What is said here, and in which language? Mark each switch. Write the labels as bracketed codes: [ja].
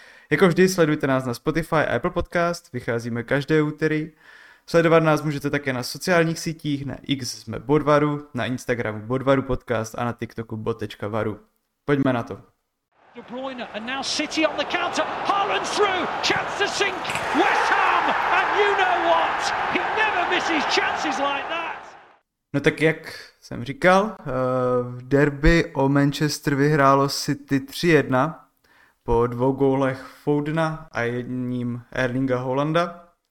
[cs] Jako vždy sledujte nás na Spotify a Apple Podcast, vycházíme každé úterý. Sledovat nás můžete také na sociálních sítích, na X jsme Bodvaru, na Instagramu Bodvaru Podcast a na TikToku bod.varu. Pojďme na to. [en] De Bruyne and now City on the counter, Haaland through, chance to sink, West Ham, and you know what, he never misses chances like that. [cs] No tak jak jsem říkal, v derby o Manchester vyhrálo City 3-1 po dvou gólech Foudna a jedním Erlinga Haalanda.